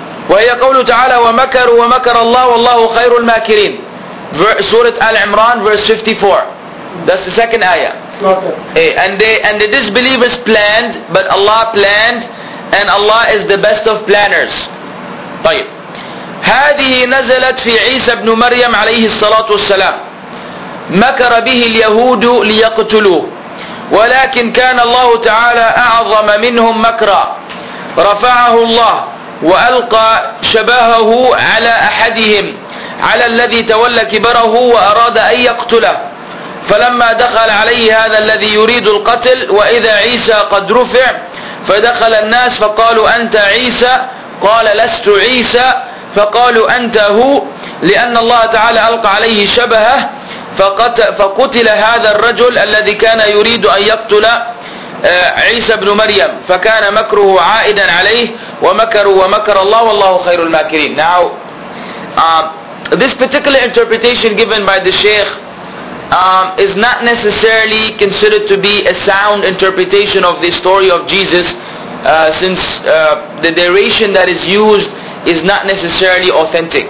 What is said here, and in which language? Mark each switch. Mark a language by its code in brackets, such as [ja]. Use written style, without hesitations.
[ar] وهي قول تعالى ومكر ومكر الله والله خير الماكرين. سورة آل عمران verse 54. [en] That's the second ayah. Hey, and the disbelievers planned, but Allah planned, and Allah is the best of planners. [ar] طيب. هذه نزلت في عيسى بن مريم عليه الصلاة والسلام. مكر به اليهود ليقتلوه، ولكن كان الله تعالى أعظم منهم مكرا، رفعه الله وألقى شبهه على أحدهم على الذي تولى كبره وأراد أن يقتله، فلما دخل عليه هذا الذي يريد القتل وإذا عيسى قد رفع، فدخل الناس فقالوا أنت عيسى، قال لست عيسى، فقالوا أنت هو، لأن الله تعالى ألقى عليه شبهه فقتل هذا الرجل الذي كان يريد أن يقتل عيسى بن مريم، فكان مكره عائدا عليه ومكر ومكر الله والله خير الماكرين. [en] Now, this particular interpretation given by the Sheikh is not necessarily considered to be a sound interpretation of the story of Jesus, since the narration that is used is not necessarily authentic.